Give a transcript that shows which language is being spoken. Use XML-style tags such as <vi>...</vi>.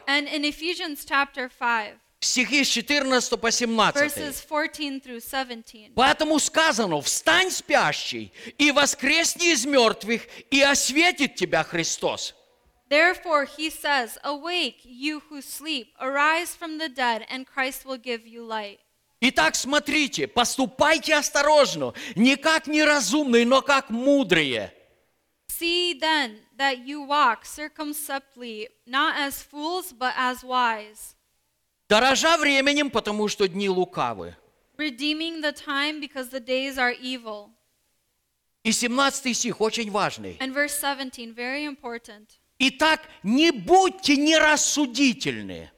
<en>and in Ephesians chapter 5,</en> <ru>стихи с 14 по 17. Поэтому сказано, встань спящий и воскресни из мертвых, и осветит тебя Христос.</ru> <en>Therefore he says, awake, you who sleep, arise from the dead, and Christ will give you light.</en> <ru>Итак, смотрите, поступайте осторожно, не как неразумные, но как мудрые.</ru> <en>See then that you walk circumspectly, not as fools, but as wise.</en> <ru>Дорожа временем, потому что дни лукавы.</ru> <en>Redeeming the time because the days are evil.</en> <ru>И 17 стих очень важный.</ru> <en>And verse 17, very important.</en> <ru>Итак, не будьте нерассудительны.</ru>